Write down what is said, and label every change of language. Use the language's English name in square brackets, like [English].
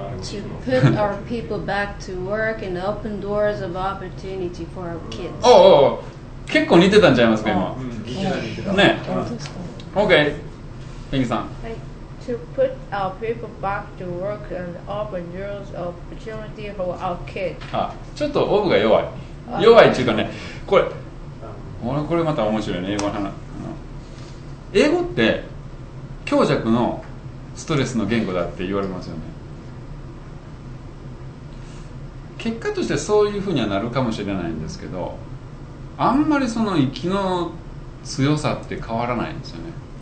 [English] To put our people back to work and open doors of opportunity for our kids. [Japanese] おお、結構似てたんちゃいますか今。ね。OK。 ペンギさん。はい。 [English] To put our people back to work and open doors of opportunity for our kids. [Japanese] あ、ちょっとオブが弱い。弱いっていうかね、これ、これまた面白いね、英語の話。英語って強弱のストレスの言語だって言われますよね。結果としてそういうふうにはなるかもしれないんですけど、あんまりその息の強さって変わらないんですよね。